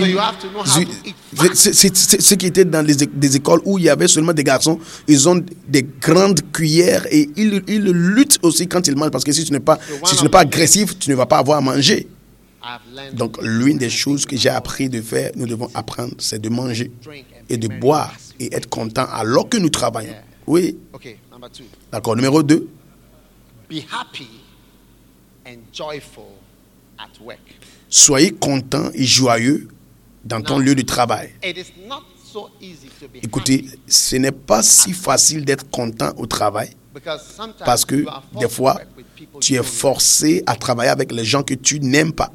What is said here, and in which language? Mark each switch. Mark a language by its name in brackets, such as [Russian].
[English] so you have to know how to eat fast. [French] Ceux qui étaient dans des écoles où il y avait seulement des garçons, ils ont des grandes cuillères et ils luttent aussi quand ils mangent parce que si tu n'es pas agressif, tu ne vas pas avoir à manger. Donc l'une des choses que j'ai appris de faire, nous devons apprendre, c'est de manger et de boire et être content alors que nous travaillons. Oui. [English] Okay, number two. [French] D'accord, numéro 2. [English] Be happy and joyful at work. [French] Soyez content et joyeux dans ton lieu de travail. [English] It is not so easy to be. [French] Écoutez, ce n'est pas si facile d'être content au travail parce que des fois, tu es forcé à travailler avec les gens que tu n'aimes pas.